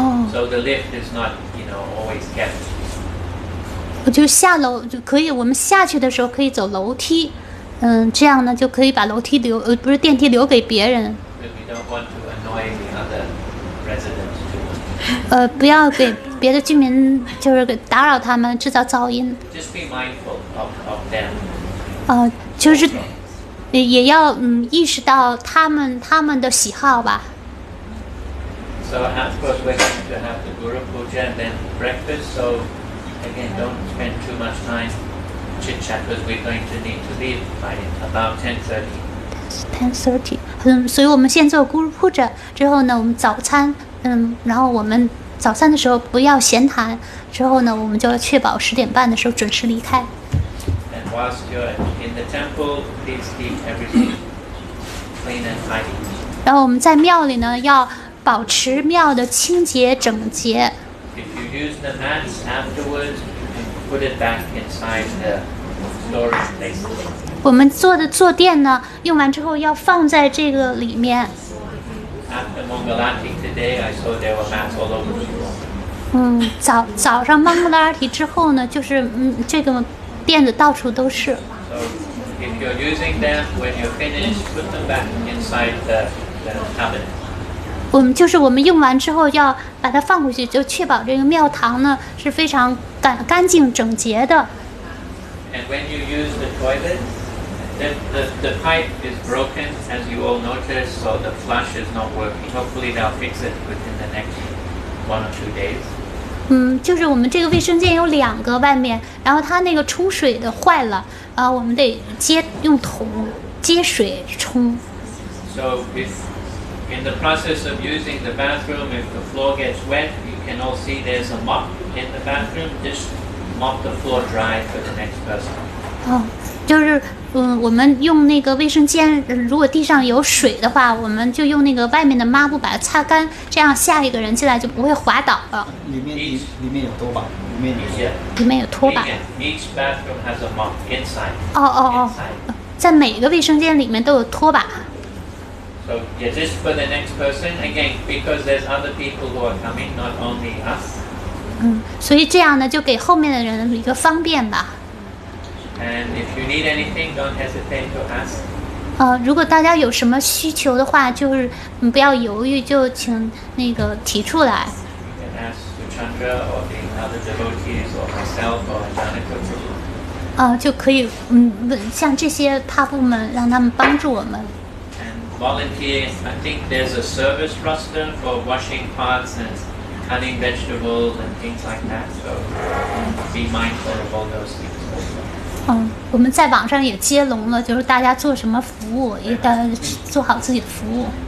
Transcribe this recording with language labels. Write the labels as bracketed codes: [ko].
[en] So the lift is not, you know, always kept. [zh] 我就下楼就可以，我们下去的时候可以走楼梯，这样呢就可以把楼梯留，不是电梯留给别人。 [en] But we don't want to annoy the other residents too much. [zh] 不要给别的居民就是给打扰他们，制造噪音。 [en] Just be mindful of them. [zh] 就是也要意识到他们的喜好吧。 [en] So of course we're going to have the Guru Puja and then breakfast. So again, don't spend too much time chit chat because we're going to need to leave by about 10:30. [zh] 所以我们先做 Guru Puja 之后呢，我们早餐，然后我们早餐的时候不要闲谈，之后呢，我们就要确保十点半的时候准时离开。 [en] And whilst you're in the temple, please keep everything clean and tidy. [zh] 然后我们在庙里呢要。保持庙的清洁整洁。 [en] If you use the mats afterwards, you can put it back inside the storage space. [zh] 我们做的坐垫呢，用完之后要放在这个里面。 [en] At the Mongol Antique today, I saw there were mats all over the floor. [zh] 早上 Mongol Antique 之后呢，就是这个垫子到处都是。 [en] So, if you're using them, when you're finished, put them back inside the cabinet. [zh] 我们就是我们用完之后要把它放回去，就确保这个庙堂呢是非常干净整洁的。 [en] And when you use the toilet, the pipe is broken, as you all noticed, so the flush is not working. Hopefully they'll fix it within the next one or two days. [zh] 就是我们这个卫生间有两个外面，然后它那个冲水的坏了，我们得用桶接水冲。 [en] So in the process of using the bathroom, if the floor gets wet, you can all see there's a mop in the bathroom. Just mop the floor dry for the next person. [zh] 就是我们用那个卫生间，如果地上有水的话，我们就用那个外面的抹布把它擦干，这样下一个人进来就不会滑倒了。里面有拖把，里面有拖把。 [en] Each bathroom has a mop inside. [zh] 在每个卫生间里面都有拖把。 [en] So, yeah, just for the next person, again, because there's other people who are coming, not only us. [zh] 所以这样呢，就给后面的人一个方便吧。 [en] And if you need anything, don't hesitate to ask. [zh] 如果大家有什么需求的话，就是不要犹豫，就请那个提出来。 [en] You can ask Chandra or the other devotees or myself or Janaka to. [zh] 就可以像这些帕布们，让他们帮助我们。 [en] Volunteer, I think there's a service roster for washing pots and cutting vegetables and things like that. So be mindful of all those things also. [zh] 我们在网上也接龙了，就是大家做什么服务，也得做好自己的服务。